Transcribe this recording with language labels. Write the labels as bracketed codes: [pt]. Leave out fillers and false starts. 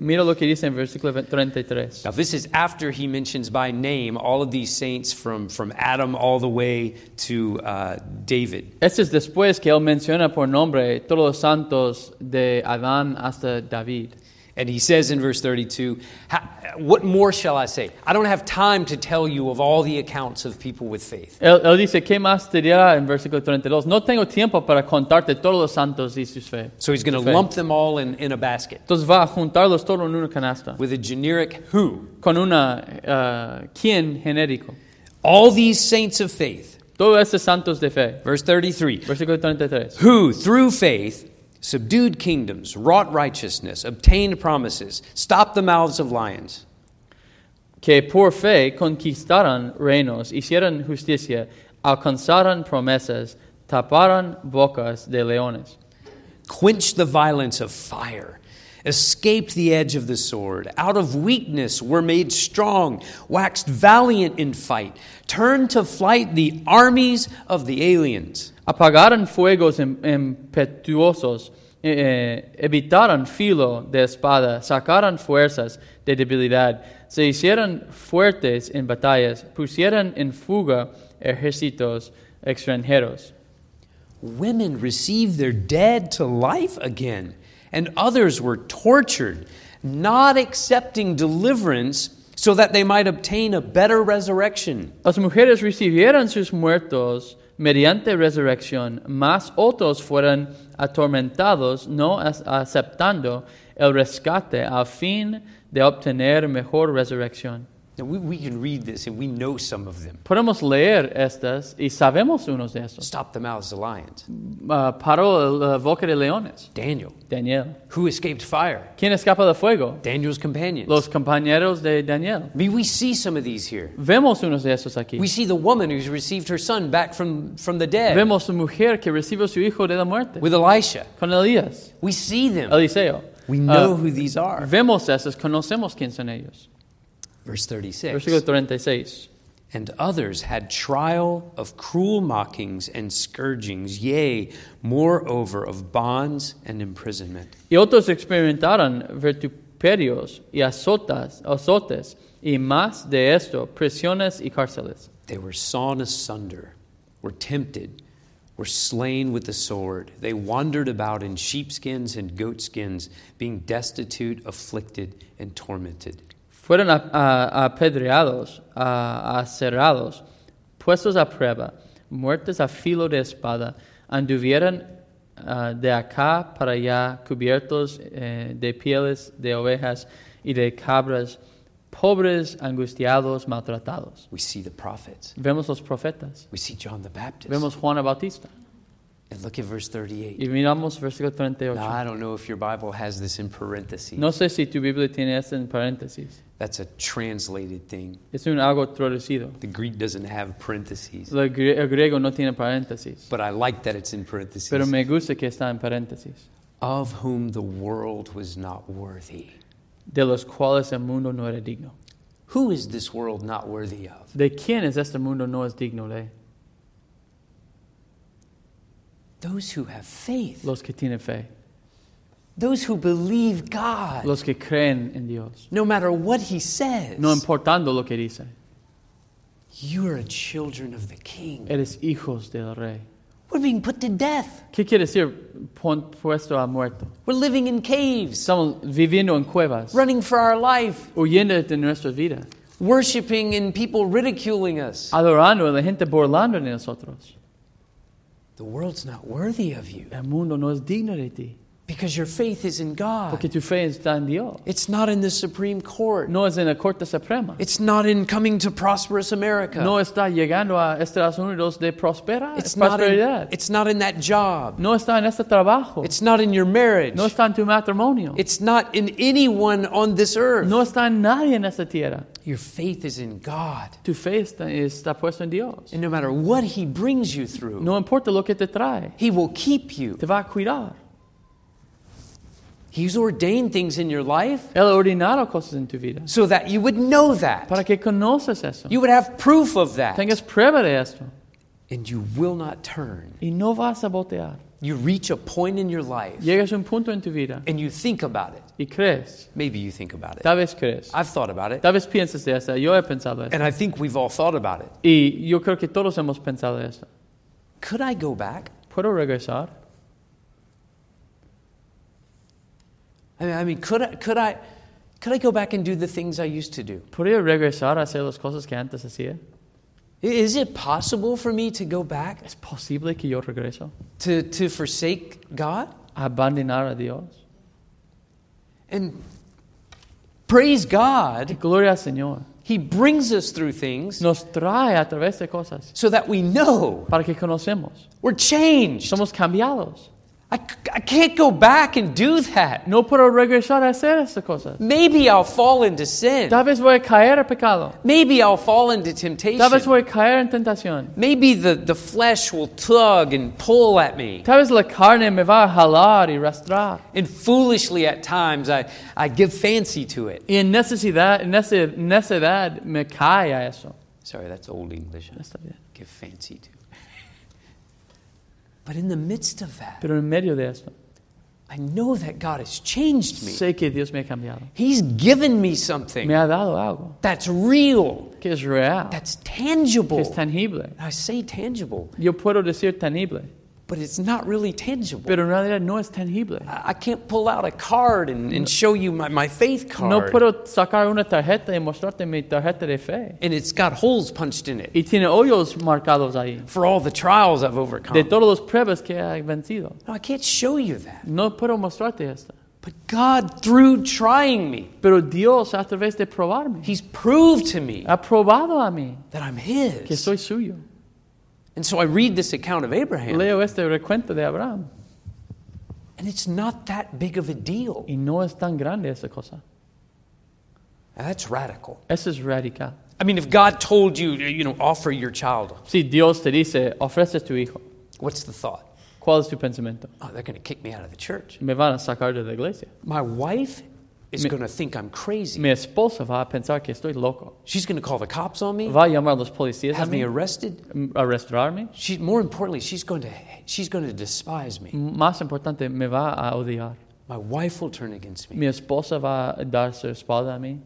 [es] Mira lo que dice en versículo 33. [en] Now this is after he mentions by name all of these saints from Adam all the way to David. [es] Este es después que él menciona por nombre todos los santos de Adán hasta David. [en] And he says in verse 32, what more shall I say? I don't have time to tell you of all the accounts of people with faith. [es] Él dice, ¿qué más te dirá en versículo 32? No tengo tiempo para contarte todos los santos y sus fe. [en] So he's going to lump them all in a basket. [es] Entonces va a juntarlos todos en una canasta. [en] With a generic who. [es] Con una quién genérico. [en] All these saints of faith. [es] Todos estos santos de fe. [en] Verse 33. [es] Versículo 33. [en] Who, through faith, subdued kingdoms, wrought righteousness, obtained promises, stopped the mouths of lions. [es] Que por fe conquistaron reinos, hicieron justicia, alcanzaron promesas, taparon bocas de leones. [en] Quenched the violence of fire, escaped the edge of the sword, out of weakness were made strong, waxed valiant in fight, turned to flight the armies of the aliens. [es] Apagaron fuegos impetuosos, evitaron filo de espada, sacaron fuerzas de debilidad, se hicieron fuertes en batallas, pusieron en fuga ejércitos extranjeros. [en] Women received their dead to life again, and others were tortured, not accepting deliverance so that they might obtain a better resurrection. [es] Las mujeres recibieron sus muertos mediante resurrección, mas otros fueron atormentados, no aceptando el rescate a fin de obtener mejor resurrección. [en] Now we can read this and we know some of them. [es] Podemos leer estas y sabemos unos de estos. [en] Stop the mouths of lions. [es] Paró la boca de leones. [en] Daniel. Who escaped fire? [es] ¿Quién escapa del fuego? [en] Daniel's companions. [es] Los compañeros de Daniel. [en] We see some of these here. [es] Vemos unos de estos aquí. [en] We see the woman who's received her son back from the dead. [es] Vemos la mujer que recibió su hijo de la muerte. [en] With Elisha. [es] Con Elías. [en] We see them. [es] Eliseo. [en] We know who these are. [es] Vemos estos, conocemos quién son ellos. [en] Verse 36. [es] Versículo 36. [en] And others had trial of cruel mockings and scourgings, yea, moreover, of bonds and imprisonment. [es] Y otros experimentaron vituperios y azotes, y más de esto, prisiones y cárceles. [en] They were sawn asunder, were tempted, were slain with the sword. They wandered about in sheepskins and goatskins, being destitute, afflicted, and tormented. [es] Fueron apedreados, aserrados, puestos a prueba, muertos a filo de espada, anduvieron de acá para allá, cubiertos de pieles de ovejas y de cabras, pobres, angustiados, maltratados. [en] We see the prophets. [es] Vemos los profetas. [en] We see John the Baptist. [es] Vemos Juan el Bautista. [en] And look at verse 38. [es] Y miramos versículo 38. [en] Now, I don't know if your Bible has this in parentheses. [es] No sé si tu Biblia tiene esto en paréntesis. [en] That's a translated thing. [es] Es un algo traducido. [en] The Greek doesn't have parentheses. [es] El griego no tiene paréntesis. [en] But I like that it's in parentheses. [es] Pero me gusta que está en paréntesis. [en] Of whom the world was not worthy. [es] De los cuales el mundo no era digno. [en] Who is this world not worthy of? [es] De quién es este mundo no es digno de? [en] Those who have faith. [es] Los que tienen fe. [en] Those who believe God. [es] Los que creen en Dios. [en] No matter what he says. [es] No importando lo que dice. [en] You are children of the King. [es] Eres hijos del rey. [en] We're being put to death. [es] ¿Qué quiere decir puesto a muerto? [en] We're living in caves. [es] Estamos viviendo en cuevas. [en] Running for our life. [es] Huyendo de nuestra vida. [en] Worshipping and people ridiculing us. [es] Adorando a la gente burlando de nosotros. [en] The world's not worthy of you. [es] El mundo no es digno de ti. [en] Because your faith is in God. [es] Porque tu fe está en Dios. [en] It's not in the Supreme Court. [es] No es en la Corte Suprema. [en] It's not in coming to prosperous America. [es] No está llegando a Estados Unidos de prospera. [en] It's prosperidad. It's not in that job. [es] No está en este trabajo. [en] It's not in your marriage. [es] No está en tu matrimonio. [en] It's not in anyone on this earth. [es] No está en nadie en esta tierra. [en] Your faith is in God. [es] Tu fe está puesta en Dios. [en] And no matter what he brings you through. [es] No importa lo que te trae. [en] He will keep you. [es] Te va a cuidar. [en] He's ordained things in your life. [es] Él ha ordenado cosas en tu vida. [en] So that you would know that. [es] Para que conozcas eso. [en] You would have proof of that. [es] Tengas prueba de esto. [en] And you will not turn. [es] Y no vas a voltear. [en] You reach a point in your life. [es] Llegas a un punto en tu vida. [en] And you think about it. [es] Y crees. [en] Maybe you think about it. [es] Tal vez crees. [en] I've thought about it. [es] Tal vez piensas de eso. Yo he pensado eso. [en] And I think we've all thought about it. [es] Y yo creo que todos hemos pensado eso. [en] Could I go back? [es] ¿Puedo regresar? [en] I mean, could I go back and do the things I used to do? [es] ¿Podría regresar a hacer las cosas que antes hacía? [en] Is it possible for me to go back? [es] ¿Es posible que yo regreso? [en] To forsake God? [es] ¿Abandonar a Dios? [en] And praise God. [es] Gloria al Señor. [en] He brings us through things. [es] Nos trae a través de cosas. [en] So that we know. [es] Para que conocemos. [en] We're changed. [es] Somos cambiados. [en] I can't go back and do that. [es] No puedo regresar a hacer esas cosas. [en] Maybe I'll fall into sin. [es] Tal vez voy a caer a pecado. [en] Maybe I'll fall into temptation. [es] Tal vez voy a caer en tentación. [en] Maybe the flesh will tug and pull at me. [es] Tal vez la carne me va a jalar y arrastrar. [en] And foolishly at times I give fancy to it. [es] Y en necesidad me cae a eso. [en] Sorry, that's old English. That's not it. Give fancy to. But in the midst of that, [es] pero en medio de esto, [en] I know that God has changed me. [es] Sé que Dios me ha cambiado. [en] He's given me something. [es] Me ha dado algo. [en] That's real. [es] Que es real. [en] That's tangible. [es] Que es tangible. [en] I say tangible. [es] Yo puedo decir tangible. [en] But it's not really tangible. [es] Pero en realidad no es tangible. [en] I can't pull out a card and show you my faith card. [es] No puedo sacar una tarjeta y mostrarte mi tarjeta de fe. [en] And it's got holes punched in it. [es] Y tiene hoyos marcados ahí. [en] For all the trials I've overcome. [es] De todos los pruebas que he vencido. [en] No, I can't show you that. [es] No puedo mostrarte esto. [en] But God, through trying me, [es] pero Dios a través de probarme, [en] He's proved to me, [es] ha probado a mí, [en] that I'm His, [es] que soy suyo. [en] And so I read this account of Abraham. [es] Leo este recuento de Abraham. [en] And it's not that big of a deal. [es] Y no es tan grande esa cosa. [en] Now that's radical. [es] Eso es radical. [en] I mean, if God told you, you know, offer your child. [es] Si Dios te dice, ofrece tu hijo. [en] What's the thought? [es] ¿Cuál es tu pensamiento? [en] Oh, they're going to kick me out of the church. [es] Me van a sacar de la iglesia. [en] My wife is going to think I'm crazy. [es] Mi esposa va a pensar que estoy loco. [en] She's going to call the cops on me. [es] Va a llamar a los policías. [en] Have me arrested. [es] Arrestarme. [en] More importantly, she's going to despise me. [es] Más importante, me va a odiar. [en] My wife will turn against me. [es] Mi esposa va a dar su espalda a mí.